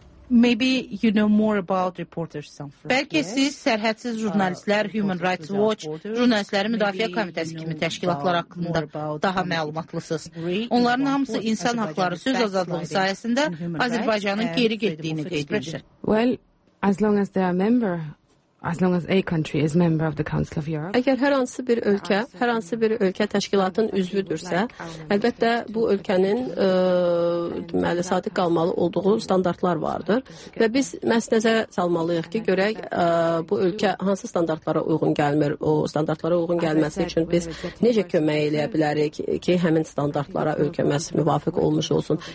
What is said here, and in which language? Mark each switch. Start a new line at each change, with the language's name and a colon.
English: Maybe you know more about reporters something.
Azerbaijani: Bəlkə siz sərhədsiz jurnalistlər, Human Rights Watch, jurnalistlərin müdafiə komitəsi kimi təşkilatlar haqqında daha məlumatlısınız. Onların hamısı insan haqları, söz azadlığı sayəsində Azərbaycanın geri getdiyini qeyd edir.
English: Well, as long as they are member As long as a country is member of the Council of Europe.
Azerbaijani: Əgər hər hansı bir ölkə, hər hansı bir ölkə təşkilatın üzvüdürsə, əlbəttə bu ölkənin deməli sadiq qalmalı olduğu standartlar vardır və biz məhz nəzərə salmalıyıq ki, görək bu ölkə hansı standartlara uyğun gəlmir, o standartlara uyğun gəlməsi üçün biz necə kömək edə bilərik ki, həmin standartlara ölkəmiz müvafiq olmuş olsun.